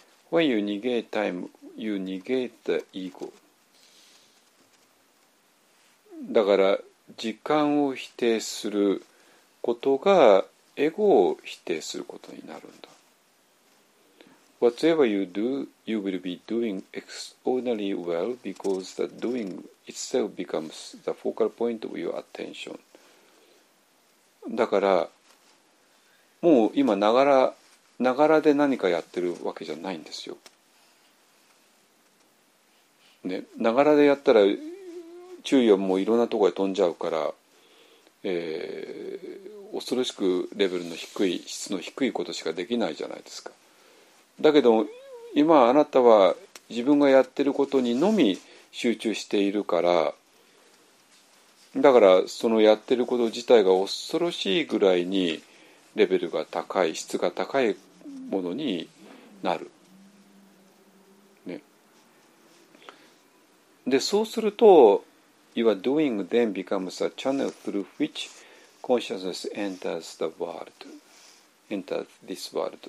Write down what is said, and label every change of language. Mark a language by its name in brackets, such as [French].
[English] When you negate timeyou negate the ego。 [Japanese] だから時間を否定することがエゴを否定することになるんだ。 [English] Whatever you do, you will be doing extraordinarily well because the doing itself becomes the focal point of your attention。 [Japanese] だからもう今ながらで何かやってるわけじゃないんですよ。ながらでやったら注意はもういろんなところへ飛んじゃうから、恐ろしくレベルの低い、質の低いことしかできないじゃないですか。だけど今あなたは自分がやってることにのみ集中しているから、だからそのやってること自体が恐ろしいぐらいにレベルが高い、質が高いものになる。でそうすると、 [English] your doing then becomes a channel through which consciousness enters the world, enters this world.